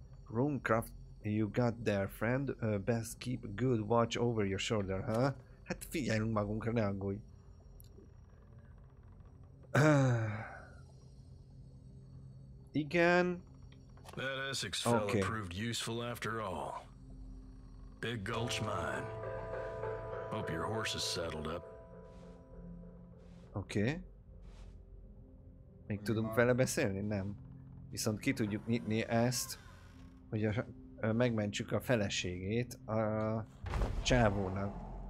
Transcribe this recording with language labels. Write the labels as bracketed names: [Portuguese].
[English] Runecraft, you got there, friend. Best keep good watch over your shoulder, huh? [Hungarian] Hát figyeljünk magunkra, ne aggódj. Igen. [English] That Essex fella okay. Proved useful after all. Big Gulch mine. Hope your horse is settled up. [Hungarian] Oké. Még tudunk vele beszélni? Nem. Viszont ki tudjuk nyitni ezt, hogy megmentsük a feleségét a csávónak.